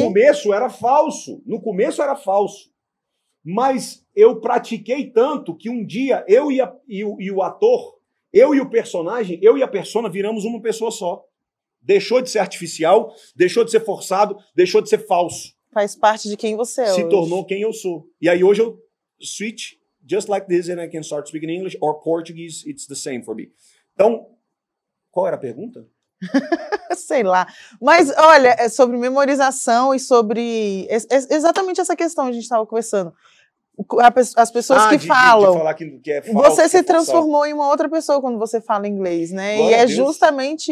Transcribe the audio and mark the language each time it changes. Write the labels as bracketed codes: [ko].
[pt] No começo era falso. No começo era falso. Mas eu pratiquei tanto que um dia eu e o ator, eu e o personagem, eu e a persona viramos uma pessoa só. Deixou de ser artificial, deixou de ser forçado, deixou de ser falso. Faz parte de quem você é Se hoje. Tornou quem eu sou. E aí hoje eu [en] switch just like this and I can start speaking English or Portuguese, it's the same for me. [pt] Então, qual era a pergunta? Sei lá. Mas olha, é sobre memorização e sobre exatamente essa questão que a gente estava conversando. As pessoas que falam. De falar que é falso, você se que é transformou em uma outra pessoa quando você fala inglês, né? Glória e é Deus. Justamente que